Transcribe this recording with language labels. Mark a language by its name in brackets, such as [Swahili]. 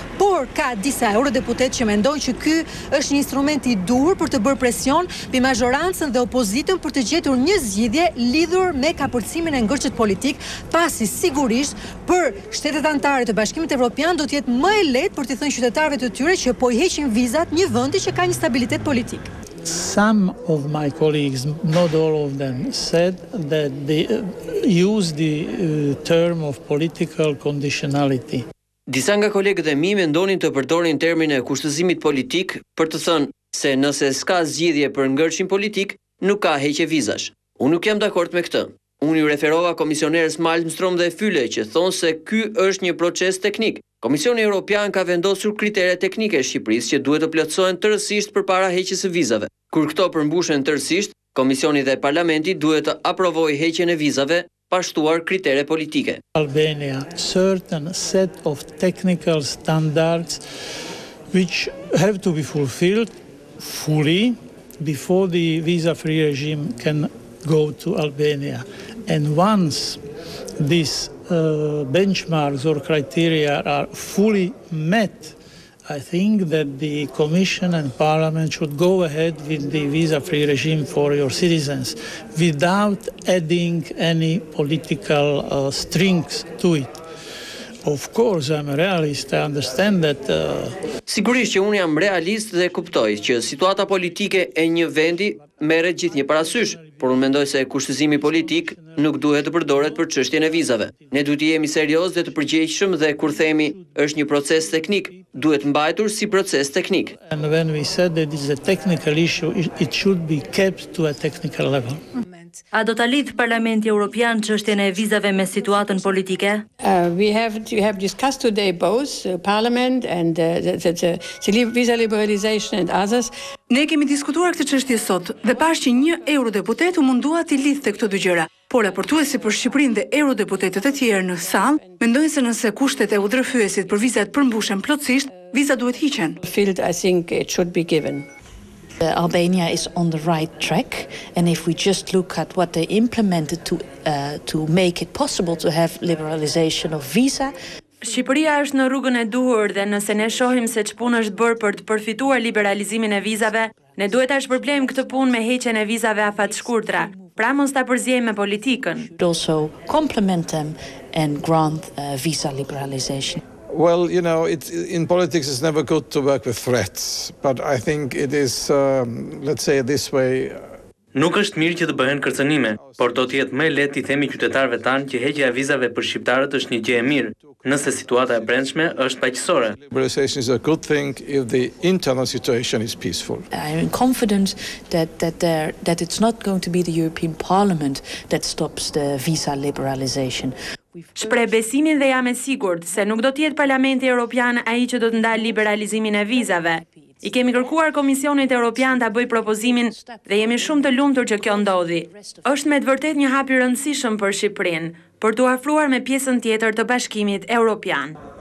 [Albanian] Por ka disa eurodeputet që mendojnë që ky është një instrument i duhur për të bërë presion mbi majorancën dhe opozitën për të gjetur një zgjidhje lidhur me kapërcimin e ngërçit politik. Pasi sigurisht për shtetet anëtare të Bashkimit Evropian do të jetë më e lehtë për t'i thënë qytetarëve të tyre që po i heqin vizat një vendi që ka një stabilitet politik. [English] Some of my colleagues, not all of them, said that they use the term of political conditionality. [Albanian] Disa nga kolegët e mi mendonin të përdorin termin e kushtëzimit politik për të thënë se nëse s'ka zgjidhje për ngërçin politik, nuk ka heqje vizash. Unë nuk jam dakord me këtë. Unë ju referova komisionerës Malmström dhe Fylle që thonë se ky është një proces teknik. Komisioni Europian ka vendosur kritere teknike e Shqipërisë që duhet të plotësohen tërësisht përpara heqjes së vizave. Kur këto përmbushen tërësisht, Komisioni dhe Parlamenti duhet të aprovojë heqjen e vizave pa shtuar kritere politike. [English] Albania, certain set of technical standards which have to be fulfilled fully before the visa-free regime can go to Albania, and once these benchmarks or criteria are fully met, I think that the Commission and Parliament should go ahead with the visa-free regime for your citizens without adding any political strings to it. Of course, I'm a realist, I understand that... [Albanian] Sigurisht që unë jam realist dhe kuptoj që situata politike e një vendi merre gjithë një parasysh, por unë mendoj se kushtëzimi politik nuk duhet të përdoret për çështjen e vizave. Ne duhet të jemi serioz dhe të përgjegjshëm dhe kur themi është një proces teknik, duhet mbajtur si proces teknik. [English] And when we said that it is a technical issue, it should be kept to a technical level. [Albanian] A do ta lidh Parlamenti Europian çështjen e vizave me situatën politike? [English] We have discussed today both parliament and the visa liberalization and others. [Albanian] Ne kemi diskutuar këtë çështje sot dhe pash që një eurodeputet u mundua të lidhte këto dy gjëra. Por raportuesi për Shqipërinë dhe eurodeputetët e tjerë në sallë mendojnë se nëse kushtet e udhërfyesit për vizat përmbushen plotësisht, vizat duhet hiqen. [English] Field, I think it should be given. Albania is on the right track, and if we just look at what they implemented to make it possible to have liberalization of visa. [Albanian] Shqipëria është në rrugën e duhur dhe nëse ne shohim se ç'punë është bërë për të përfituar liberalizimin e vizave, ne duhet ta shpërblejmë këtë punë me heqjen e vizave afatshkurtra. Pra mos ta përzihemi me politikën. [English] Also complement them and grant visa liberalization. Well, you know, it's in politics it's never good to work with threats, but I think it is let's say it this way. [Albanian] Nuk është mirë që të bëhen kërcënime, por do të jetë më lehtë i themi qytetarëve tanë që heqja e vizave për shqiptarët është një gjë e mirë, nëse situata e brendshme është paqësorë. [English] Liberalization is a good thing if the internal situation is peaceful. I am confident that it's not going to be the European Parliament that stops the visa liberalization. [Albanian] Shpreh besimin dhe jam e sigurt se nuk do të jetë Parlamenti Europian ai që do të ndalë liberalizimin e vizave. I kemi kërkuar Komisionit Europian ta bëj propozimin dhe jemi shumë të lumtur që kjo ndodhi. Është me të vërtetë një hap i rëndësishëm për Shqipërinë, për t'u afruar me pjesën tjetër të Bashkimit Europian.